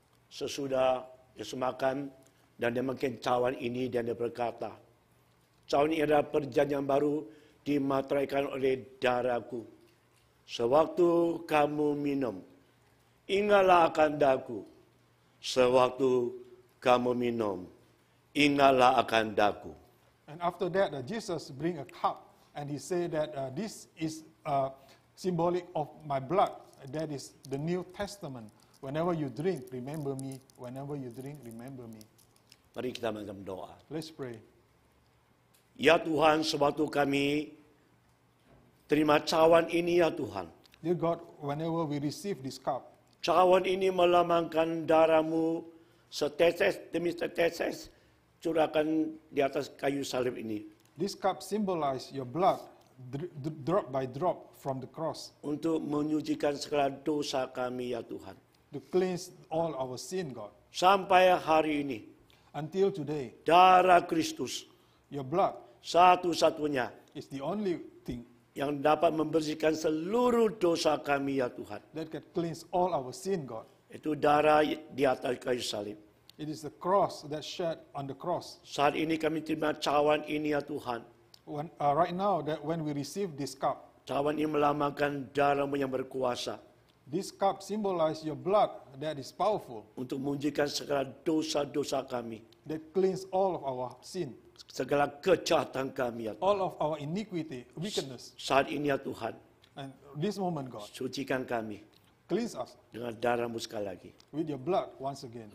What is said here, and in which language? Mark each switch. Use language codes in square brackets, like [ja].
[id] Sesudah Yesus makan dan dia makan cawan ini dan dia berkata, cawan ini adalah perjanjian baru dimateraikan oleh darahku. Sewaktu kamu minum, ingatlah akan daku. Sewaktu kamu minum, ingatlah akan daku. [en] And after that, Jesus bring a cup and he say that this is symbolic of my blood. That is the New Testament. Whenever you drink, remember me. Whenever you drink, remember me. [id] Mari kita mengam doa. [en] Let's pray. [id] Ya Tuhan, sewaktu kami terima cawan ini, ya Tuhan. [en] Dear God, whenever we receive this cup. [id] Cawan ini melambangkan darah-Mu setetes demi setetes curahkan di atas kayu salib ini. [en] This cup symbolizes your blood drop by drop from the cross. [id] Untuk menyucikan segala dosa kami, ya Tuhan. [en] To cleanse all our sin, God. [id] Sampai hari ini. [en] Until today. [id] Darah Kristus. [en] Your blood. [id] Satu-satunya. [en] Is the only thing. [id] Yang dapat membersihkan seluruh dosa kami, ya Tuhan. [en] That can cleanse all our sin, God. [id] Itu darah di atas kayu salib. [en] It is the cross that shed on the cross. [id] Saat ini kami terima cawan ini, ya Tuhan. [en] Right now, that when we receive this cup. [id] Cawan ini melambangkan darah-Mu yang berkuasa. [en] This cup symbolizes your blood that is powerful. [id] Untuk menyucikan segala dosa-dosa kami. [en] That cleans all of our sin. [id] Segala kejahatan kami, ya Tuhan. [en] All of our iniquity, wickedness. [id] Saat ini, ya Tuhan. [en] And this moment, God. [id] Sucikan kami. [en] Cleans us. [id] Dengan darah-Mu sekali lagi. [en] With your blood once again.